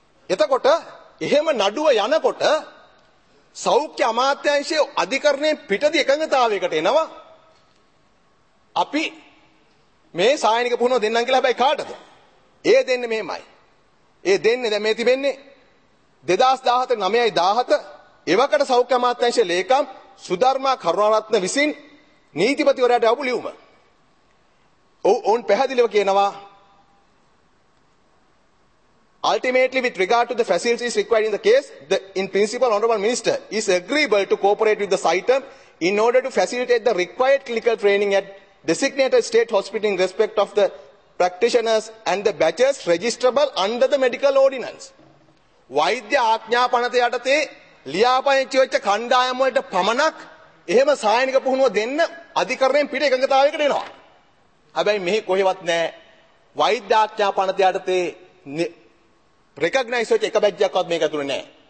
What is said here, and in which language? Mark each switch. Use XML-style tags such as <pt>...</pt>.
<si>එතකොට එහෙම නඩුව යනකොට සෞඛ්‍ය අමාත්‍යාංශයේ අධිකරණයෙන් පිටදී එකඟතාවයකට එනවා, අපි මේ සායනික පුහුණුව දෙන්නම් කියලා. හැබැයි කාටද? ඒ දෙන්නේ මෙහෙමයි. ඒ දෙන්නේ දැන් මේ තිබෙන්නේ 2017/9/17 එවකට සෞඛ්‍ය අමාත්‍යාංශයේ ලේකම් සුධර්මා කරුණාරත්න විසින් නීතිපතිවරයාට යවපු ලියුම. ඔවුන් පැහැදිලිව කියනවා</si> <en>ultimately with regard to the facilities required in the case, the in principle honorable minister is agreeable to cooperate with the CITEM in order to facilitate the required clinical training at designated state hospital in respect of the practitioners and the batches registrable under the medical ordinance.</en> <si>වෛද්‍ය ආඥාපනත යටතේ ලියාපදිංචි වෙච්ච කණ්ඩායම් වලට පමණක් එහෙම සායනික පුහුණුව දෙන්න අධිකරණයෙන් පිට එකඟතාවයකට එනවා. හැබැයි මෙහි කොහෙවත් නැහැ වෛද්‍ය ආඥාපනත යටතේ රෙකග්නයිස් වෙච්ච එක බැජ්ජක්වත් මේක ඇතුළේ නැහැ.</si>